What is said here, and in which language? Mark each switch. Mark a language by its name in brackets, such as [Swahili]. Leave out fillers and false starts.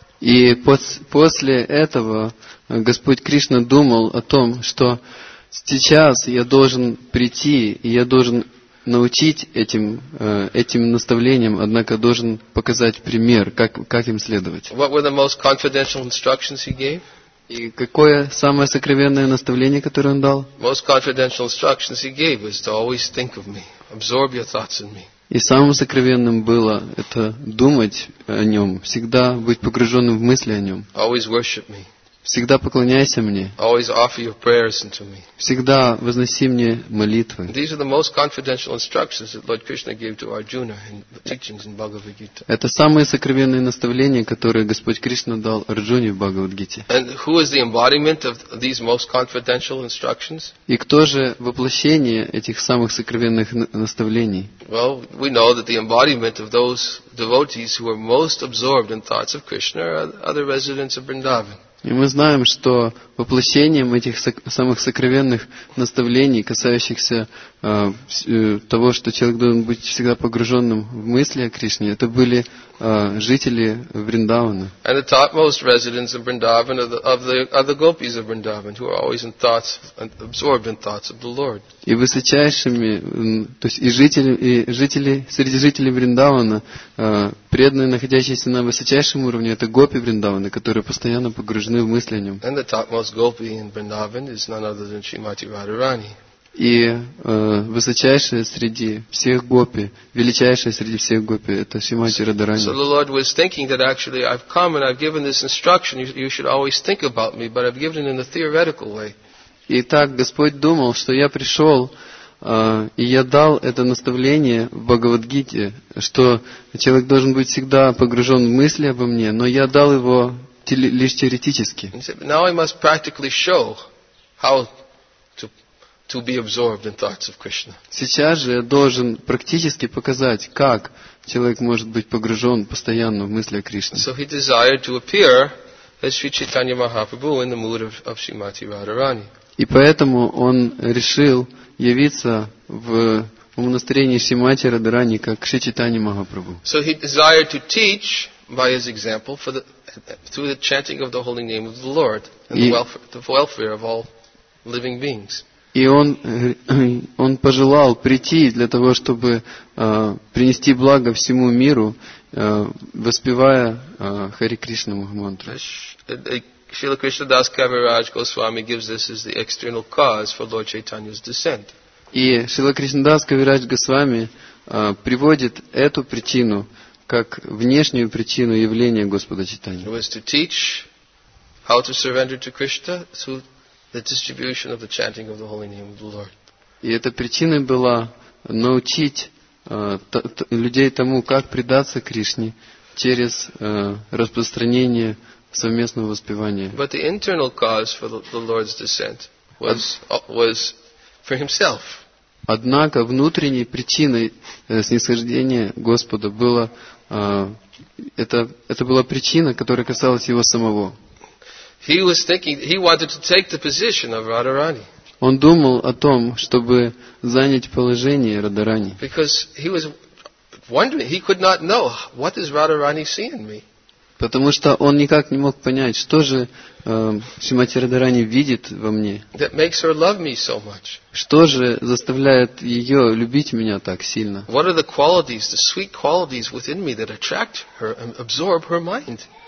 [Russian] И после этого Господь Кришна думал о том, что сейчас я должен прийти и я должен научить этим наставлениям, однако должен показать пример, как им следовать. [English] What were the most confidential instructions he gave? [Russian] И какое самое сокровенное наставление, которое он дал? [English] Most confidential instructions he gave was to always think of me, absorb your thoughts in me. [Russian] И самым сокровенным было это думать о нем, всегда быть погруженным в мысли о нем. [English] Always worship me. [Russian] Всегда поклоняйся мне. [English] Always offer your prayers unto me. [Russian] Всегда возноси мне молитвы. [English] These are the most confidential instructions that Lord Krishna gave to Arjuna in teachings in Bhagavad Gita. [Russian] Это самые сокровенные наставления, которые Господь Кришна дал Арджуне в Бхагавад-гите. [English] And who is the embodiment of these most confidential instructions? [Russian] И кто же воплощение этих самых сокровенных наставлений? [English] Well, we know that the embodiment of those devotees who are most absorbed in thoughts of Krishna are the residents of Vrindavan. [Russian] И мы знаем, что воплощением этих самых сокровенных наставлений, касающихся того, что человек должен быть всегда погруженным в мысли о Кришне, это были жители Вриндавана. [English] And the topmost residents of Vrindavan are the gopis of Vrindavan, who are always in thoughts, absorbed in thoughts of the Lord. [Russian] И высочайшими, то есть и жители среди жителей Вриндавана, преданные, находящиеся на высочайшем уровне, это гопи Вриндавана, которые постоянно погружены в мысли о нем. [English] And the topmost gopi in Vrindavan is none other than Srimati Radharani. [Russian] И высочайшая среди всех гопи, величайшая среди всех гопи, это Шримати Радарани. [English] So the Lord was thinking that actually I've come and I've given this instruction, you should always think about me, but I've given it in a theoretical way. [Russian] И так Господь думал, что я пришел, и я дал это наставление в Бхагавад-гите, что человек должен быть всегда погружен в мысли обо мне, но я дал его лишь теоретически. [English] He said, now I must practically show how to be absorbed in thoughts of Krishna. [Russian] Сейчас же я должен практически показать, как человек может быть погружен постоянно в мысли о Кришне. [English] So he desired to appear as Sri Chaitanya Mahaprabhu in the mood of Srimati Radharani. [Russian] И поэтому он решил явиться в умонастроении Шримати Радарани как Шри Чайтанья Махапрабху. [English] So he desired to teach by his example for the through the chanting of the holy name of the Lord and the welfare of all living beings. [Russian] И он пожелал прийти для того, чтобы принести благо всему миру, воспевая Хари Кришна мантру. [English] Srila Krishna Das Kaviraj Goswami gives this as the external cause for Lord Chaitanya's descent. [Russian] И Srila Krishna Das Kaviraj Goswami приводит эту причину как внешнюю причину явления Господа Чайтаньи. [English] It was to teach how to surrender to Krishna through the distribution of the chanting of the holy name of the Lord. [Russian] И эта причина была научить людей тому, как предаться Кришне через распространение совместного воспевания. [English] But the internal cause for the Lord's descent was for himself. [Russian] Однако внутренней причиной снисхождения Господа было это была причина, которая касалась его самого. [English] He was thinking he wanted to take the position of Radharani. [Russian] Он думал о том, чтобы занять положение Радарани. [English] Because he was wondering, he could not know what is Radharani seeing in me. [Russian] Потому что он никак не мог понять, что же Шримати Радарани видит во мне. [English] That makes her love me so much. [Russian] Что же заставляет ее любить меня так сильно? [English] What are the qualities, the sweet qualities within me that attract her and absorb her mind?